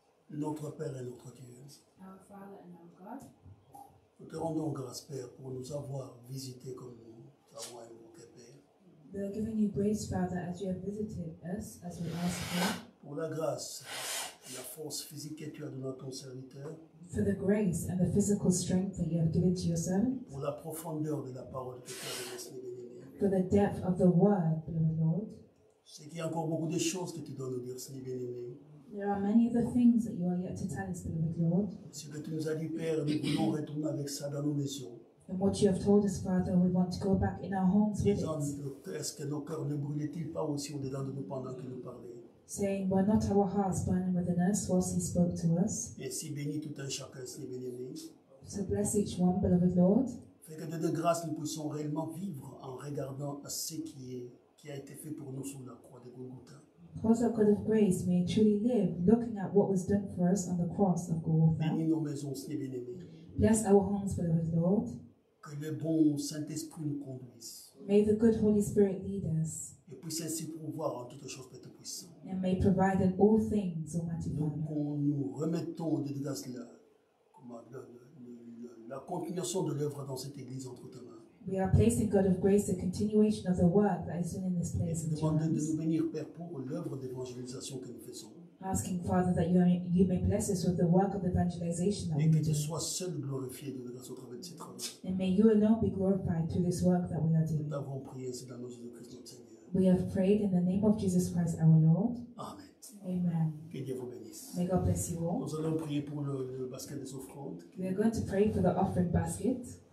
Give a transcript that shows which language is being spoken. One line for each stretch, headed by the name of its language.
French: Notre Père et notre Dieu, nous te rendons grâce, Père, pour nous avoir visités comme nous, ta voix et mon cœur, Père.
English: We are giving you grace, Father, as you have visited us, as we ask for.
French: Pour la grâce et la force physique que tu as donné à ton serviteur.
English: For the grace and the physical strength that you have given to your servant.
French: Pour la profondeur de la parole que tu as donnée.
English: For the depth of the word, beloved Lord.
French: C'est qu'il y a encore beaucoup de choses que tu dois nous dire, Seigneur bien-aimé.
English: There are many of the things that you are yet to tell us, beloved Lord.
French: Ce que tu nous as dit, Père, nous voulons retourner avec ça dans nos maisons.
English: And what you have told us, Father, we want to go back in our homes with it.
French: Est-ce que nos cœurs ne brûlaient-ils pas aussi au-dedans de nous pendant que nous parlions?
English: Saying, were not our hearts burning within us whilst he spoke to us?
French: Et si bénis tout un chacun, si bien-aimé.
English: So bless each one, beloved Lord.
French: Fait que de grâce, nous puissions réellement vivre en regardant à ce qui a été fait pour nous sur la croix de Golgotha.
English: Cause our God of grace may truly live, looking at what was done for us on the cross of Golgotha.
French: Bénis nos maisons, si bien-aimé.
English: Bless our homes, beloved Lord.
French: Que le bon Saint-Esprit nous conduise.
English: May the good Holy Spirit lead us.
French: Et puisse ainsi pourvoir en toutes choses, Père Tout-Puissant.
English: And may provide in all things, Almighty Father.
French: Nous remettons de cela, comme le la continuation de l'œuvre dans cette église entre tes mains.
English: We are placing God of grace the continuation of the work that is done in this place.
French: Et demandons de nous bénir, Père, pour l'œuvre d'évangélisation que nous faisons.
English: Asking Father that you may bless us with the work of evangelization that
French: et
English: we do.
French: Que tu sois seul glorifié de grâce au travers de ces travaux.
English: And may you alone be glorified through this work that we are doing.
French: Nous t'avons prié ainsi dans le nom de Christ notre Seigneur.
English: We have prayed in the name of Jesus Christ our Lord. Amen. Amen.
French: Que Dieu vous bénisse.
English: May God bless you all.
French: Nous allons prier pour le basket des offrandes.
English: We are going to pray for the offering basket.